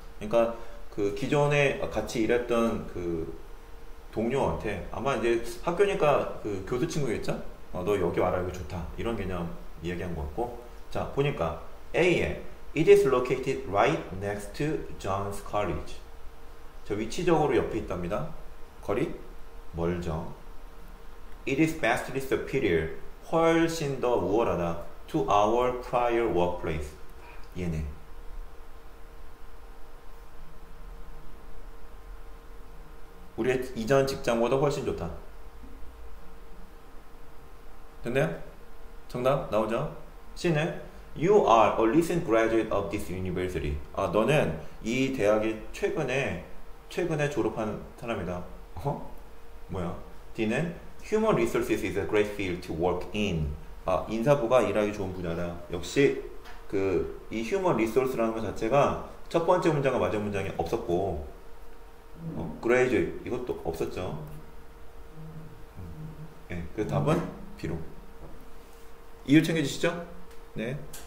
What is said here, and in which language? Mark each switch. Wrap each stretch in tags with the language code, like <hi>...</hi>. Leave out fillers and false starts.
<ko>그러니까 그 기존에 같이 일했던 그 동료한테, 아마 이제 학교니까 그 교수 친구겠죠? 너 여기 와라, 여기 좋다, 이런 개념 이야기한 것 같고. 자, 보니까 A에</ko> <en>It is located right next to John's College.</en> <ko>저 위치적으로 옆에 있답니다. 거리? 멀죠.</ko> <en>It is vastly superior.</en> <ko>훨씬 더 우월하다.</ko> <en>To our prior workplace.</en> <ko>얘네. 우리의 이전 직장보다 훨씬 좋다. 됐나요? 정답 나오죠? C는?</ko> <en>You are a recent graduate of this university.</en> <ko>너는 이 대학에 최근에 졸업한 사람이다. 뭐야? D는</ko> <en>Human resources is a great field to work in.</en> <ko>인사부가 일하기 좋은 분야다. 역시 그이 Human resource라는 것 자체가 첫 번째 문장과 마지막 문장이 없었고, graduate 이것도 없었죠. 네, 그 답은 B로. 이유 챙겨주시죠? 네.</ko>